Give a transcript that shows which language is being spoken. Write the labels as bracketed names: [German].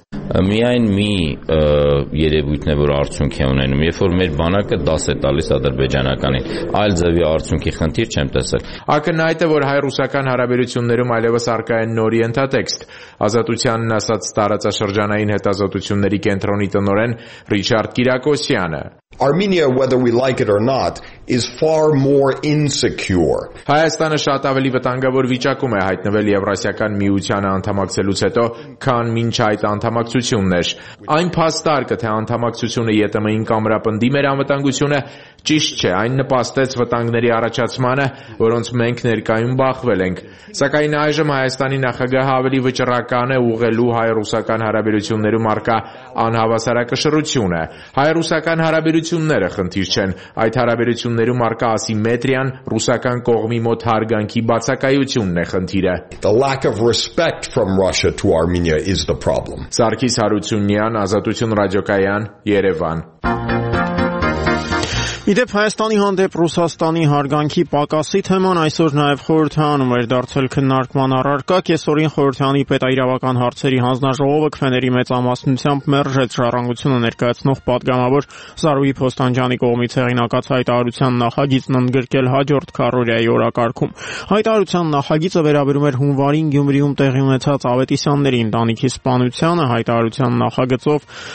[Armenian] Միայն մի երևույթն է, որ արդյունք է ունենում, երբ որ մեր բանակը դաս է տալիս ադրբեջանականին, այլ ձևի արդյունքի խնդիր չեմ տեսել։ Ակնհայտ է, որ հայ-ռուսական հարաբերություններում այլևս առկա է նոր ենթատեքստ։ Ազատությանն ասաց տարածաշրջանային հետազոտությունների կենտրոնի տնօրեն Ռիչարդ Կիրակոսյանը։ [English] Armenia, whether we like it or not, is far more insecure. [Armenian] Հայաստանը շատ ավելի վտանգավոր վիճակում է հայտնվել Եվրասիական միությանը անդամակցելուց հետո, քան մինչ այդ անդամակցություններ։ Այն փաստարկը, թե անդամակցությունը ԵՏՄ-ին կամրապնդի մեր անվտանգությունը, ճիշտ չէ, այն նպաստեց վտանգների առաջացմանը, որոնց մենք ներկայում բախվել ենք։ Սակայն այժմ Հայաստանի նախագահը ավելի վճռական է ուղղելու հայ-ռուսական հարաբերություններում առկա անհավասարակշռությունը։ Հայ-ռուսական հարաբերությունները խնդիր չեն, այդ հարաբերություններում առկա ասիմետրիան, ռուսական կողմի մոտ հարգանքի բացակայությունն է խնդիրը։ [English] The lack of respect from Russia to Armenia is the problem. [Armenian] Սարգիս Հարությունյան, Ազատություն ռադիոկայան, Երևան։ Իդեպ Հայաստանի հանդեպ Ռուսաստանի հարգանքի պակասի թեման այսօր նաև խորհրդարանում էր դարձել քննարկման առարկա։ Կեսօրին խորհրդարանի պետաիրավական հարցերի հանձնաժողովը քվեների մեծ ամասնությամբ մերժեց ժառանգությունը ներկայացնող պատգամավոր Սարուհի Փոստանջանի կողմից հեղինակած հայտարարության նախագիծն ընդգրկել հաջորդ քառորդյայի օրակարգում։ Հայտարարության նախագիծը վերաբերում էր հունվարին Գյումրիում տեղի ունեցած Ավետիսյանների ընտանիքի սպանությանը։ Հայտարարության նախագծով